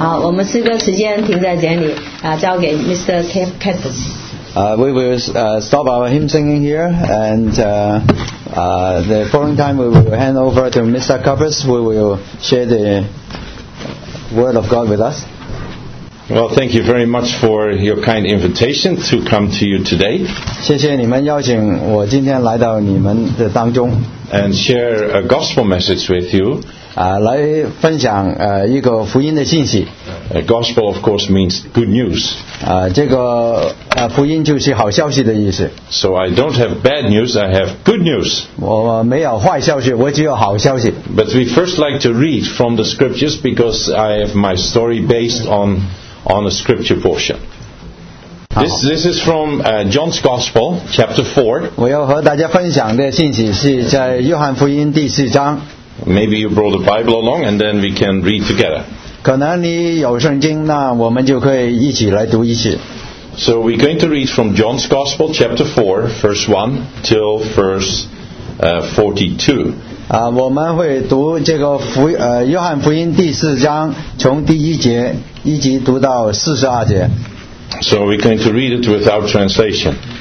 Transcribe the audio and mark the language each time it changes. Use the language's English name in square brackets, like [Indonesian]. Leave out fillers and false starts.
[Chinese] 们诗歌时间停在这里、交给 Mr. Cadus。 [English] We will stop our hymn singing here, and the following time we will hand over to Mr. Cadus, who will share the word of God with us. Well, thank you very much for your kind invitation to come to you today. [Chinese] 谢谢你们邀请我今天来到你们的当中。 [English] And share a gospel message with you. [Chinese] 来分享一个福音的信息。 [English] A gospel, of course, means good news. [Chinese] 这个福音就是好消息的意思。 [English] So I don't have bad news, I have good news. [Chinese] 我没有坏消息，我只有好消息。 [English] But we first like to read from the scriptures because I have my story based on a scripture portion. This is from John's Gospel, chapter 4. [Chinese] 我要和大家分享的信息是在约翰福音第四章。 [English] Maybe you brought the Bible along and then we can read together. [Chinese] 可能你有圣经，那我们就可以一起来读一次。 [English] So we're going to read from John's Gospel, chapter 4, verse 1 till verse 42. [Chinese] 我们会读这个约翰福音第四章，从第一节一直读到四十二节。 [English] So we're going to read it without translation.